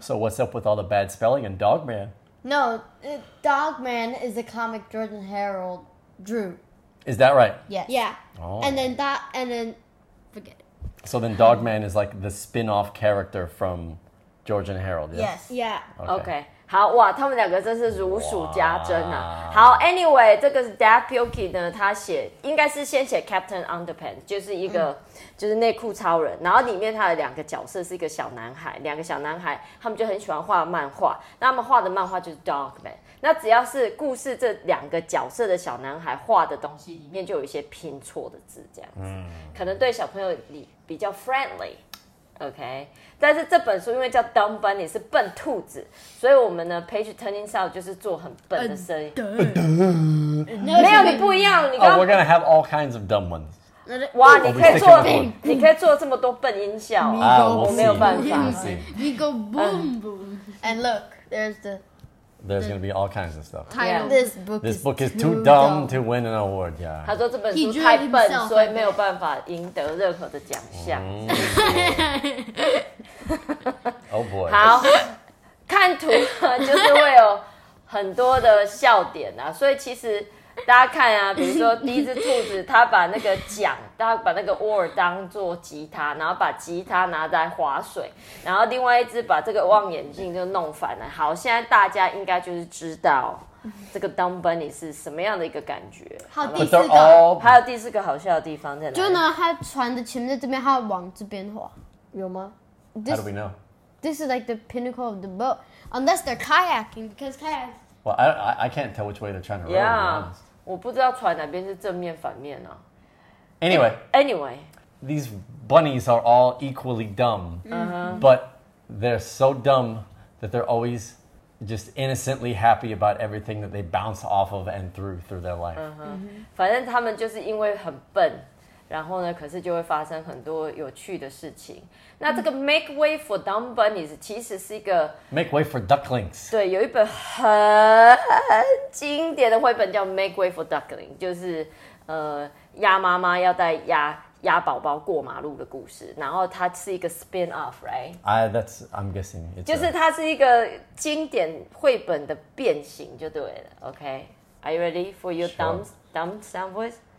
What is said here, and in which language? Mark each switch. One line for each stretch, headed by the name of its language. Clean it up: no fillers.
English: So what's up with all the bad spelling in Dogman? No, Dogman is a comic George and Harold drew. Is that right? Yes. Yeah. And then forget it. So then Dogman is like the spin-off character from George and Harold, yes? Yes. Yeah. Okay.
Chinese: 好哇，他们两个真是如数家珍啊！好 ，Anyway， 这个是 Daft Pilkey 呢，他写应该是先写 Captain Underpants， 就是一个、就是内裤超人，然后里面他的两个角色是一个小男孩，两个小男孩他们就很喜欢画漫画，那他们画的漫画就是 Dogman， 那只要是故事这两个角色的小男孩画的东西里面就有一些拼错的字这样子，可能对小朋友你比较 friendly。 OK， 但是这本书因为叫 Dumb Bunny 是笨兔子，所以我们呢 Page Turning Sound 就是做很笨的声音。没有，你不一样。你刚、
English: We're gonna have all kinds of dumb ones。
Chinese: 哇，你可以做，你可以做这么多笨音效
English: 啊！We'll、
Chinese: 我没有办法。
English: We go boom boom and look, there's the. There's gonna be all kinds of stuff. Title、yeah. this book. This book is too dumb to win an award. Yeah.
Chinese: 他说这本书太笨，所以没有办法赢得任何的奖项。
English: Oh boy.
Chinese: 好，看图就是会有很多的笑点啊，所以其实大家看啊，比如说第一只兔子，他把那个奖，他把那个 award 当作吉他，然后把吉他拿在滑水，然后另外一只把这个望远镜就弄反了。好，现在大家应该就是知道这个 Dumb Bunny 是什么样的一个感觉。好，第四个，还有第四个好笑的地方在哪里？就呢，他船的前面这边，他往这边滑，有吗？
English: How do we know? This is like the pinnacle of the boat, unless they're kayaking, because kayak. Well, I can't tell which way they're trying to row. Yeah,
Chinese: 我不知道船哪边是正面反面啊。
English: Anyway, these bunnies are all equally dumb,、but they're so dumb that they're always just innocently happy about everything that they bounce off of and through their life.
Chinese: 反正他们就是因为很笨，然后呢，可是就会发生很多有趣的事情。那这个 make way for dumb bunnies 其实是一个
English: make way for ducklings。
Chinese: 对，有一本很经典的绘本叫 make way for ducklings， 就是鸭妈妈要带鸭宝宝过马路的故事。然后它是一个 spin off， right？
English: I'm guessing，
Chinese: 就是它是一个经典绘本的变形就对了。
English: OK， are you ready for your dumb sound voice？